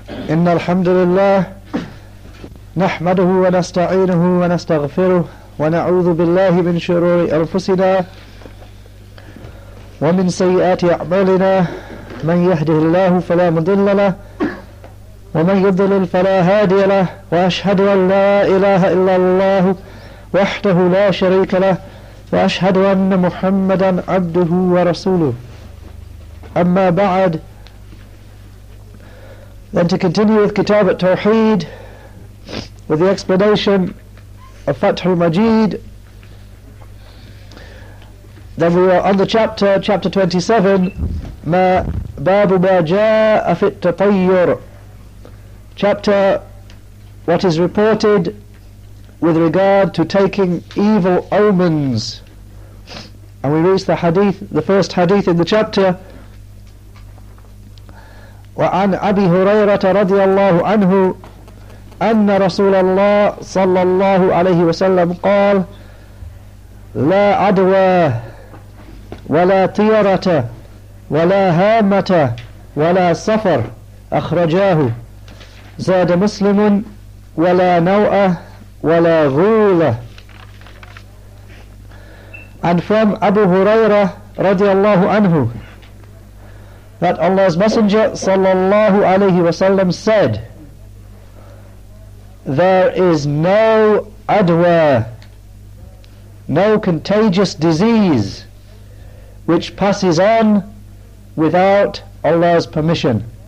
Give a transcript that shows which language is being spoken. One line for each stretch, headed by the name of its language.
Arabic: إن الحمد لله نحمده ونستعينه ونستغفره ونعوذ بالله من شرور أنفسنا ومن سيئات أعمالنا، من يهده الله فلا مضل له ومن يضلل فلا هادي له، وأشهد أن لا إله إلا الله وحده لا شريك له، وأشهد أن محمدا عبده ورسوله. أما بعد،
English: then to continue with Kitab al-Tawheed, with the explanation of Fath al-Majid, then we are on the chapter 27, Babu Ma Jaa Fi al-Tatayyur, chapter what is reported with regard to taking evil omens. And we reach the hadith, the first hadith in the chapter.
Arabic: وعن أبي هريرة رضي الله عنه أن رسول الله صلى الله عليه وسلم قال لا عدوى ولا طيرة ولا هامة ولا سفر، أخرجاه زاد مسلم ولا نوء ولا غول.
English: And from Abu Huraira رضي الله عنه, that Allah's Messenger sallallahu alayhi wa sallam said, there is no adwa, no contagious disease, which passes on without Allah's permission.